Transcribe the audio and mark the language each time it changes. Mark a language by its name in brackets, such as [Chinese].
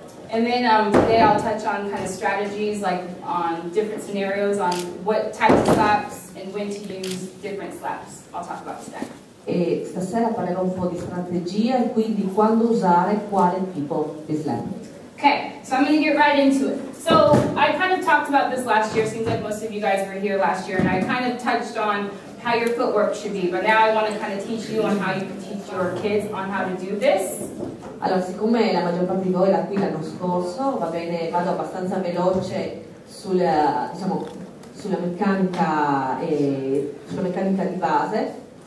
[English] And then today I'll touch on kind of strategies, like on different scenarios, on what types of slaps and when to use different slaps. I'll talk about that. [Italian] E stasera parlerò un po' di strategia e quindi quando usare quale tipo di slap. [English] Okay, so I'm going to get right into it. So I kind of talked about this last year, seems like most of you guys were here last year, and I kind of touched on how your footwork should be, but now I want to kind of teach you on how you can teach your kids on how to do this. [Italian] Allora, siccome la maggior parte di voi era qui l'anno scorso, va bene, vado abbastanza veloce sulla, diciamo, sulla meccanica di base.